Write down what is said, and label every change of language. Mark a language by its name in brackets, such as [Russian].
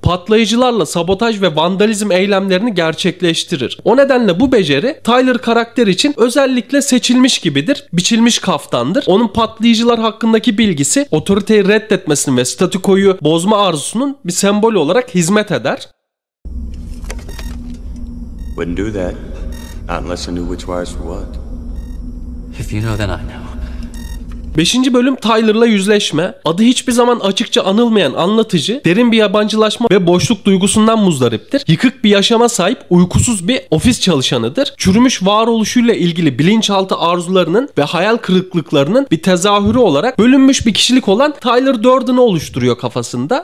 [Turkish] Patlayıcılarla sabotaj ve vandalizm eylemlerini gerçekleştirir. O nedenle bu beceri Tyler karakter için özellikle seçilmiş gibidir. Biçilmiş kaftandır. Onun patlayıcılar hakkındaki bilgisi otoriteyi reddetmesinin ve statükoyu bozma arzusunun bir sembolü olarak hizmet eder. [English] Wouldn't do that unless I knew which wires were what. If you know then I know. [Turkish] Beşinci bölüm Tyler'la yüzleşme. Adı hiçbir zaman açıkça anılmayan anlatıcı derin bir yabancılaşma ve boşluk duygusundan muzdariptir. Yıkık bir yaşama sahip uykusuz bir ofis çalışanıdır. Çürümüş varoluşuyla ilgili bilinçaltı arzularının ve hayal kırıklıklarının bir tezahürü olarak bölünmüş bir kişilik olan Tyler Durden'ı oluşturuyor kafasında.